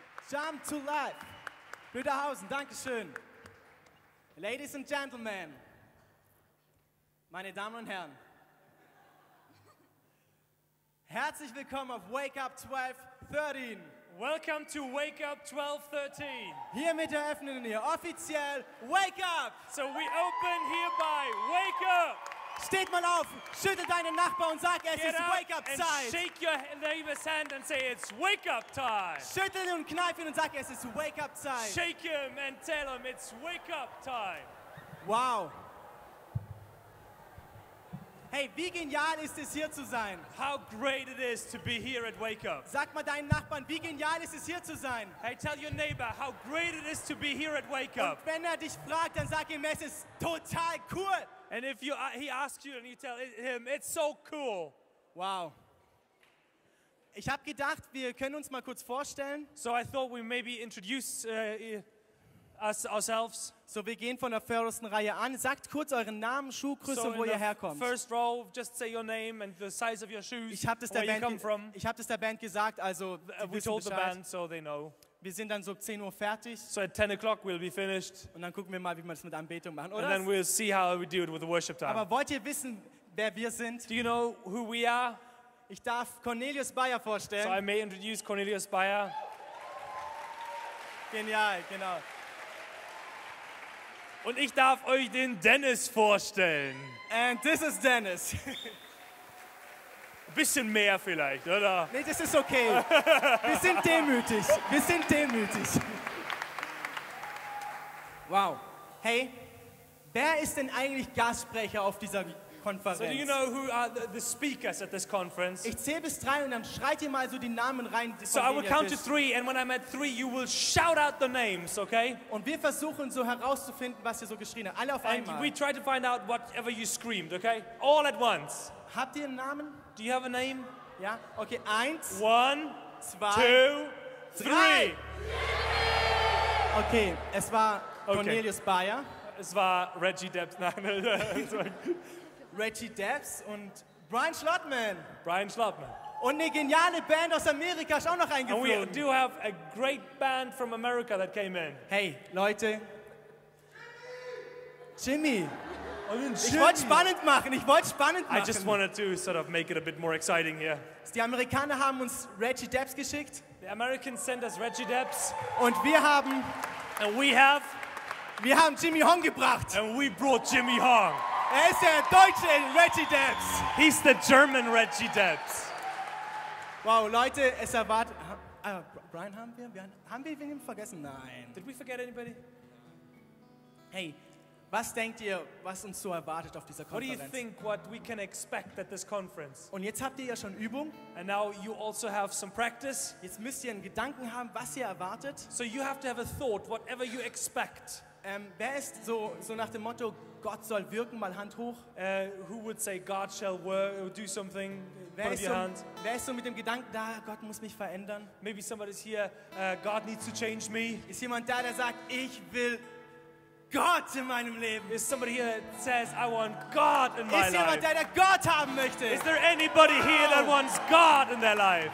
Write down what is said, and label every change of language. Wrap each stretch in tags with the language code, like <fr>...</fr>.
<en>Jump to life!</en> <de>Rüderhausen, danke schön.</de> <en>Ladies and Gentlemen,</en> <de>meine Damen und Herren, herzlich willkommen auf Wake Up 1213.</de> <en>Welcome to Wake Up 1213.</en> <de>Hiermit eröffnen wir offiziell Wake Up.</de> <en>So we open hereby Wake Up.</en> <de>Steht mal auf, schüttel deinen Nachbar und sag, es</de> <en>Get</en> <de>ist Wake Up Zeit.</de> <en>Shake your neighbor's hand and say, it's Wake Up Time.</en> <de>Schüttel ihn und kneif ihn und sag, es ist Wake Up Zeit.</de> <en>Shake him and tell him, it's Wake Up Time. Wow.</en> <de>Hey, wie genial ist es hier zu sein?</de> <en>How great it is to be here at Wake Up.</en> <de>Sag mal deinen Nachbarn, wie genial ist es hier zu sein?</de> <en>Hey, tell your neighbor how great it is to be here at Wake Up.</en> <de>Und wenn dich fragt, dann sag ihm, es ist total cool.</de> <en>And if you, he asks you and you tell him, it's so cool. Wow.</en> <de>Ich habe gedacht, wir können uns mal kurz vorstellen.</de> <en>So I thought we maybe introduce ourselves.</en> <de>So wir gehen von der vordersten Reihe an. Sagt kurz euren Namen, Schuhgröße, so wo ihr herkommt.</de> <en>First row, just say your name and the size of your shoes.</en> <de>Ich habe das der Band. Ich habe das der Band gesagt. Also</de> <en>we told the band, so they know.</en> <de>Wir sind dann so 10 Uhr fertig.</de> <en>So at 10 o'clock we'll be finished.</en> <de>Und dann gucken wir mal, wie wir das mit Anbetung machen, oder?</de> <en>And then we'll see how we do it with the worship time.</en> <de>Aber wollt ihr wissen, wer wir sind?</de> <en>Do you know who we are?</en> <de>Ich darf Cornelius Beyer vorstellen.</de> <en>So I may introduce Cornelius Beyer.</en> <de>Genial, genau. Und ich darf euch den Dennis vorstellen.</de> <en>And this is Dennis.</en> <de>Bisschen mehr vielleicht, oder? Nee, das ist okay. Wir sind demütig. Wow. hey, wer ist denn eigentlich Gastsprecher auf dieser Konferenz?</de> <en>So do you know who are the speakers at this conference?</en> <de>Ich zähle bis drei und dann schreit ihr mal so die Namen rein.</de> <en>So I will count to three and when I'm at three you will shout out the names, okay?</en> <de>Und wir versuchen so herauszufinden, was ihr so geschrien habt. Alle auf</de> <en>and</en> <de>einmal.</de> <en>And we try to find out whatever you screamed, okay? All at once.</en> <de>Habt ihr einen Namen?</de> <en>Do you have a name?</en> <de>Ja, okay, eins.</de> <en>One,</en> <de>zwei,</de> <en>two, three.</en> <de>Okay, es war Cornelius Bayer. Es war Reggie Debs. Nein, Reggie Debs und Brian Schlottmann. Brian Schlottmann. Und eine geniale Band aus Amerika ist auch noch eingeflogen.</de> <en>And we do have a great band from America that came in.</en> <de>Hey, Leute. Jimmy. Oh, ich wollte spannend machen, ich wollte spannend machen.</de> <en>I just wanted to sort of make it a bit more exciting here.</en> <de>Die Amerikaner haben uns Reggie Debs geschickt.</de> <en>The Americans sent us Reggie Debs.</en> <de>Und wir haben...</de> <en>And we have...</en> <de>Wir haben Jimmy Hong gebracht.</de> <en>And we brought Jimmy Hong.</en> <de>Er ist der deutsche Reggie Debs.</de> <en>He's the German Reggie Debs.</en> <de>Wow, Leute, es erwartet... Brian, haben wir ihn vergessen? Nein.</de> <en>Did we forget anybody? Hey...</en> <de>Was denkt ihr, was uns so erwartet auf dieser Konferenz?</de> <en>What do you think what we can expect at this conference?</en> <de>Und jetzt habt ihr ja schon Übung.</de> <en>And now you also have some practice.</en> <de>Jetzt müsst ihr einen Gedanken haben, was ihr erwartet.</de> <en>So you have to have a thought, whatever you expect.</en> <de>Wer ist so nach dem Motto, Gott soll wirken, mal Hand hoch?</de> <en>Who would say, God shall work, do something,</en> <de>wer</de> <en>put your hand.</en> <de>Wer ist so mit dem Gedanken da, Gott muss mich verändern?</de> <en>Maybe somebody's here, God needs to change me.</en> <de>Ist jemand da, der sagt, ich will Gott in meinem Leben.</de> <en>Is somebody here that says I want God in my life?</en> <de>Ist jemand, der Gott haben möchte?</de> <en>Is there anybody here that wants God in their life?</en>